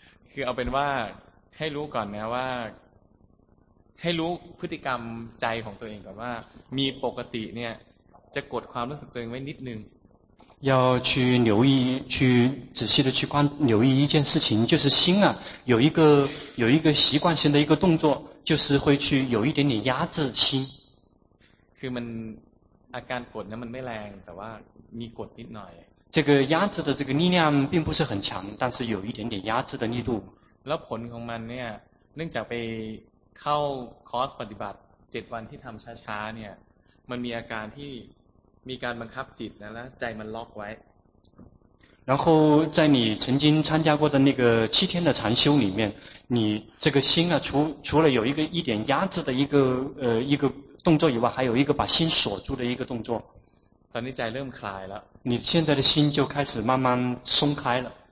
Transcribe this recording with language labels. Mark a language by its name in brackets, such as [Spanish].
[Thai] คือเอาเป็นว่าให้รู้ก่อนนะว่าให้รู้พฤติกรรมใจของตัวเองก่อนว่ามีปกติเนี่ยจะกดความรู้สึกตัวเองไว้นิดนึง [Chinese] 要去留意去仔细的去观留意一件事情就是心啊有一个习惯性的一个动作就是会去有一点点压制心 [Thai] คือมันอาการกดนะมันไม่แรงแต่ว่ามีกดนิดหน่อย [Chinese] 这个压制的这个力量并不是很强但是有一点点压制的力度 [Thai] แล้วผลของมันเนี่ยเนื่องจากไปเข้าคอร์สปฏิบัติ7วันที่ทำช้าๆเนี่ยมันมีอาการที่มีการบังคับจิตนะแล้วใจมันล็อกไว้ [Chinese] 然后在你曾经参加过的那个七天的禅修里面你这个心啊 除了有一个一点压制的一个动作以外还有一个把心锁住的一个动作 [Thai] ตอนนี้ใจเริ่มคลายแล้ว [Chinese] 你现在的心就开始慢慢松开了